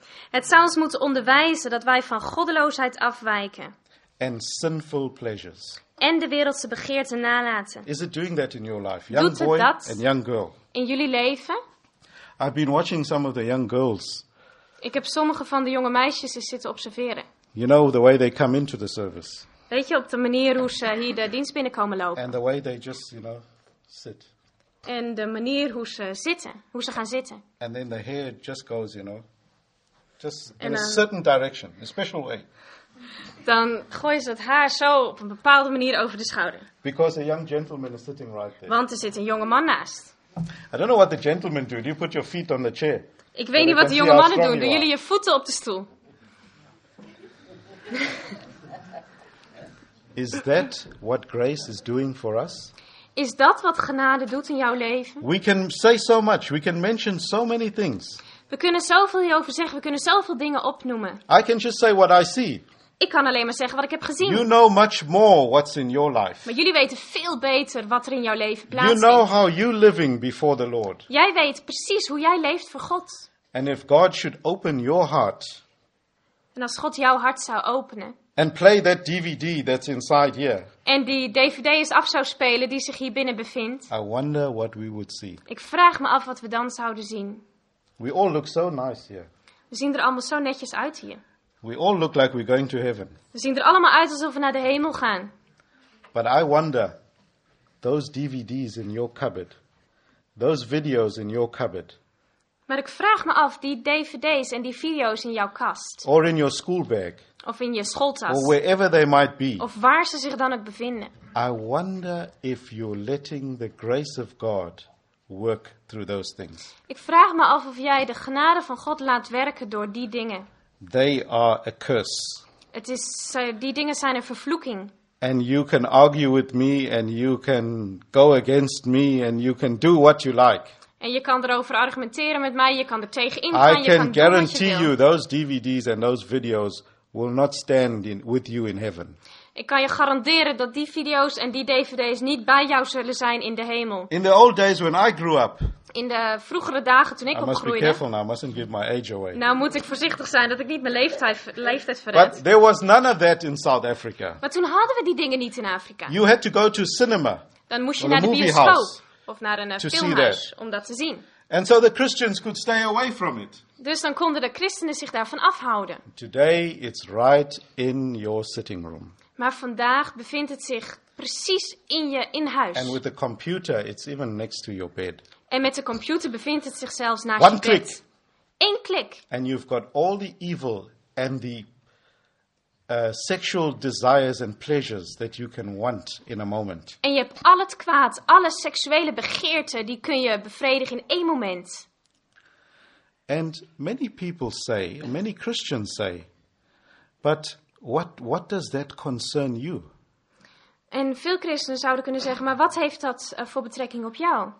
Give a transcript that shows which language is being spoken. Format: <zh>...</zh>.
<nl>Het zou ons moeten onderwijzen dat wij van goddeloosheid afwijken.</nl> <en>And sinful pleasures.</en> <nl>En de wereldse begeerten nalaten.</nl> <en>Is it doing that in your life, young boy and young girl?</en> <nl>In jullie leven?</nl> <en>I've been watching some of the young girls.</en> <nl>Ik heb sommige van de jonge meisjes eens zitten observeren.</nl> <en>You know the way they come into the service.</en> <nl>Weet je, op de manier hoe ze hier de dienst binnenkomen lopen.</nl> <en>And the way they just, you know, sit.</en> <nl>En de manier hoe ze zitten, hoe ze gaan zitten.</nl> <en>And then the hair just goes, you know, just in a certain direction, a special way.</en> <nl>Dan gooien ze het haar zo op een bepaalde manier over de schouder.</nl> <en>Because a young gentleman is sitting right there.</en> <nl>Want er zit een jonge man naast.</nl> <en>I don't know what the gentleman do. Do you put your feet on the chair?</en> <nl>Ik weet niet wat de jonge mannen doen. Doen jullie je voeten op de stoel?</nl> <en>Is that what grace is doing for us?</en> <nl>Is dat wat genade doet in jouw leven?</nl> <en>We can say so much. We can mention so many things.</en> <nl>We kunnen zoveel hierover zeggen. We kunnen zoveel dingen opnoemen.</nl> <en>I can just say what I see.</en> <nl>Ik kan alleen maar zeggen wat ik heb gezien.</nl> <en>You know much more what's in your life.</en> <nl>Maar jullie weten veel beter wat er in jouw leven plaatsvindt.</nl> <en>You know how you're living before the Lord.</en> <nl>Jij weet precies hoe jij leeft voor God.</nl> <en>And if God should open your heart.</en> <nl>En als God jouw hart zou openen.</nl> <en>And play that DVD that's inside here.</en> <nl>En die DVD eens af zou spelen die zich hier binnen bevindt.</nl> <en>I wonder what we would see.</en> <nl>Ik vraag me af wat we dan zouden zien.</nl> <en>We all look so nice here.</en> <nl>We zien er allemaal zo netjes uit hier.</nl> <en>We all look like we're going to heaven.</en> <nl>We zien er allemaal uit alsof we naar de hemel gaan.</nl> <en>But I wonder, those DVDs in your cupboard, those videos in your cupboard.</en> <nl>Maar ik vraag me af, die DVD's en die video's in jouw kast.</nl> <en>Or in your school bag.</en> <nl>Of in je schooltas.</nl> <en>Or wherever they might be.</en> <nl>Of waar ze zich dan ook bevinden.</nl> <en>I wonder if you're letting the grace of God work through those things.</en> <nl>Ik vraag me af of jij de genade van God laat werken door die dingen.</nl> <en>They are a curse.</en> <nl>Het is, die dingen zijn een vervloeking.</nl> <en>And you can argue with me and you can go against me and you can do what you like.</en> <nl>En je kan erover argumenteren met mij, je kan er tegen ingaan,</nl> <en>I can</en> <nl>je</nl> <en>guarantee</en> <nl>wil.</nl> <en>You those DVD's and those videos will not stand in, with you in heaven.</en> <nl>Ik kan je garanderen dat die video's en die DVD's niet bij jou zullen zijn in de hemel.</nl> <en>In the old days when I grew up.</en> <nl>In de vroegere dagen toen ik opgroeide.</nl> <en>Be careful now, I mustn't give my age away.</en> <nl>Nou moet ik voorzichtig zijn dat ik niet mijn leeftijd verraad.</nl> <en>But there was none of that in South Africa.</en> <nl>Maar toen hadden we die dingen niet in Afrika.</nl> <en>You had to go to cinema.</en> <nl>Dan moest je naar de bioscoop of naar een filmhuis om dat te zien.</nl> <en>And so the Christians could stay away from it.</en> <nl>Dus dan konden de christenen zich daarvan afhouden.</nl> <en>Today it's right in your sitting room.</en> <nl>Maar vandaag bevindt het zich precies in je in-huis.</nl> <en>And with the computer, it's even next to your bed.</en> <nl>En met de computer bevindt het zich zelfs naast</nl> <en>One</en> <nl>je</nl> <en>click.</en> <nl>Bed. Eén klik.</nl> <en>And you've got all the evil and the sexual desires and pleasures that you can want in a moment.</en> <nl>En je hebt al het kwaad, alle seksuele begeerten, die kun je bevredigen in één moment.</nl> <en>And many people say, many Christians say, but What does that concern you?</en> <nl>En veel christenen zouden kunnen zeggen, maar wat heeft dat voor betrekking op jou?</nl>